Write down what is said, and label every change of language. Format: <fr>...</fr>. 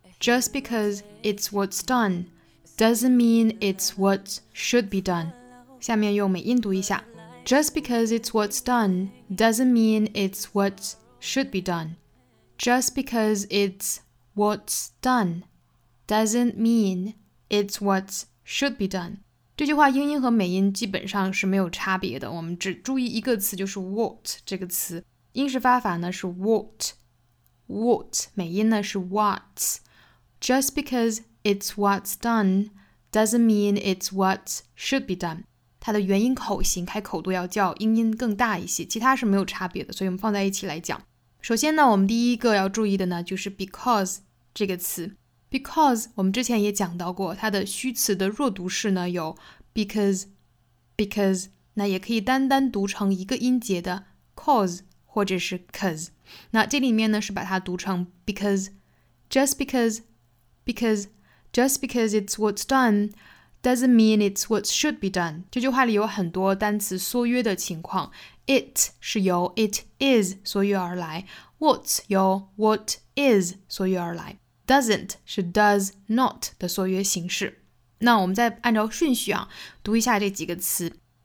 <en>Just because it's what's done doesn't mean it's what should be done.</en> <zh>下面用美音读一下</zh> <en>Just because it's what's done doesn't mean it's what should be done. Just because it's what's done doesn't mean it's what should be done.</en> <zh>这句话英音和美音基本上是没有差别的，我们只注意一个词，就是 what 这个词。英式发法呢是 what, what, 美音呢是 what.</zh> <en>Just because it's what's done doesn't mean it's what should be done.</en> <zh>它的元音口型开口度要叫英音更大一些，其他是没有差别的，所以我们放在一起来讲。首先呢，我们第一个要注意的呢，就是 because 这个词。 because 我们之前也讲到过，它的虚词的弱读式呢有 because 那也可以单单读成一个音节的 cause 或者是 cause。那这里面呢是把它读成</zh> <en>because it's what's done,doesn't mean it's what should be done.</en> <zh>这句话里有很多单词缩约的情况。 It 是由 it is 缩约而来。What 由 what is 缩约而来。 Doesn't 是 does not 的缩约形式。那我们再按照顺序啊，读一下这几个词。</zh>